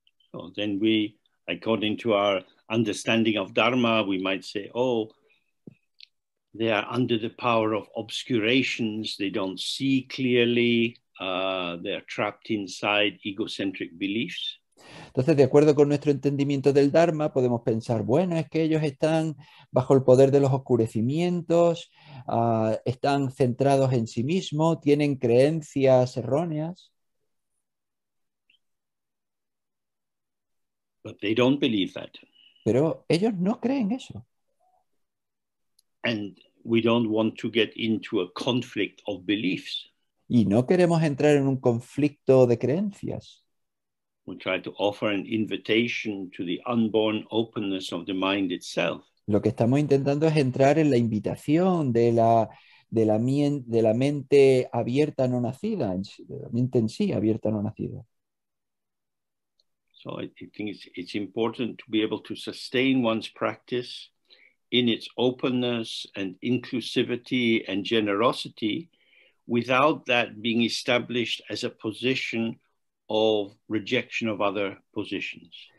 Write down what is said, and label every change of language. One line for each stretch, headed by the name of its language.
English: So then we, according to our understanding of Dharma, we might say, oh, they are under the power of obscurations, they don't see clearly, they are trapped inside egocentric beliefs.
Spanish: Entonces, de acuerdo con nuestro entendimiento del Dharma, podemos pensar, bueno, es que ellos están bajo el poder de los oscurecimientos, están centrados en sí mismos, tienen creencias erróneas.
English: But they don't believe that.
Spanish: Pero ellos no creen eso.
English: And we don't want to get into a conflict of beliefs.
Spanish: Y no queremos entrar en un conflicto de creencias.
English: We try to offer an invitation to the unborn openness of the mind itself.
Spanish: Lo que estamos intentando es entrar en la invitación de la mente abierta no nacida, de la mente en sí abierta no nacida.
English: So I think it's important to be able to sustain one's practice in its openness and inclusivity and generosity without that being established as a position of rejection of other positions.